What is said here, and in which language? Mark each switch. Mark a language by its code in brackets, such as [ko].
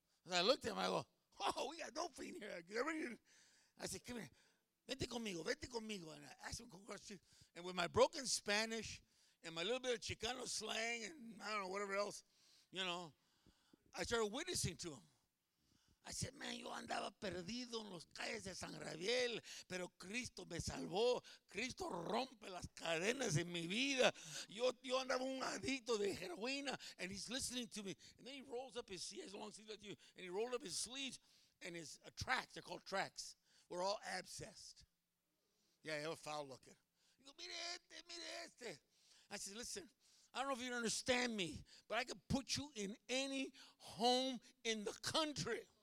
[en] And I looked at him. I go, oh, we got dope in here. I said, come here. [es] Vete conmigo, vete conmigo. [en] And I asked him to go across. And with my broken Spanish and my little bit of Chicano slang and I don't know, whatever else, you know, I started witnessing to him. I said, man, [es] yo andaba perdido en los calles de San Gabriel, pero Cristo me salvó. Cristo rompe las cadenas en mi vida. Yo andaba un adicto de heroína. [en] And he's listening to me. And then he rolls up his sleeves, long sleeves like you, and he rolled up his sleeves and his tracks, they're called tracks. We're all abscessed. Yeah, they were foul looking. He goes, [es] mire este, mire este. [en] I said, listen, I don't know if you understand me, but I could put you in any home in the country.